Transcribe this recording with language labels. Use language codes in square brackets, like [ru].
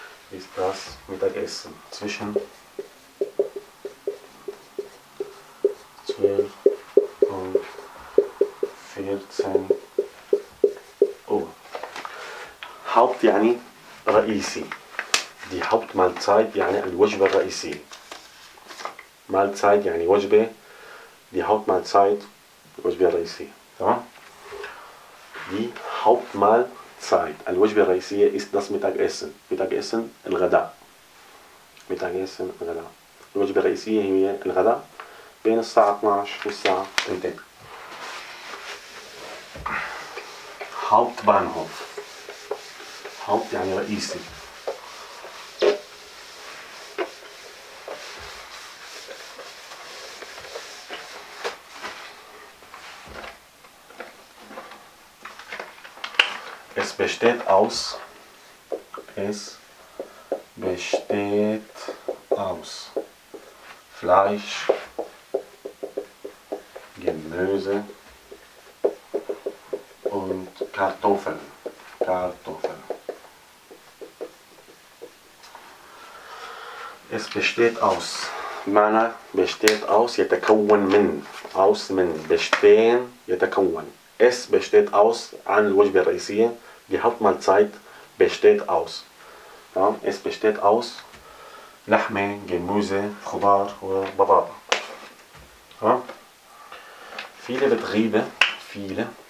[de] Ist das Mittagessen zwischen 12 und 14. [ar] Haupt يعني رئيسي. [de] Die Hauptmahlzeit [ar] يعني الوجبة الرئيسية. Mahlzeit يعني وجبة. [de] Die Hauptmahlzeit [ar] الوجبة الرئيسية. [de] Die Hauptmahlzeit [ar] الوجبة الرئيسية [de] ist das Mittagessen. Mittagessen [ar] الغداء. [de] Mittagessen الغداء. [ar] الوجبة الرئيسية هي الغداء بين الساعة 12 والساعة 2. [de] Hauptbahnhof. [ar] Haupt يعني رئيسي. [de] Es besteht aus besteht aus Fleisch, Gemüse und Kartoffeln. Kartoffeln. Es besteht aus. [ar] معنى [de] besteht aus [ar] يتكون من. Aus من. [de] Bestehen يتكون. Es besteht aus [ar] عن الوجبة الرئيسية. [de] Die Hauptmahlzeit besteht aus. Ja, es besteht aus [ar] لحمة, [de] Gemüse, [ar] خضار وبطاطا. [de] Ja. Viele Betriebe, viele.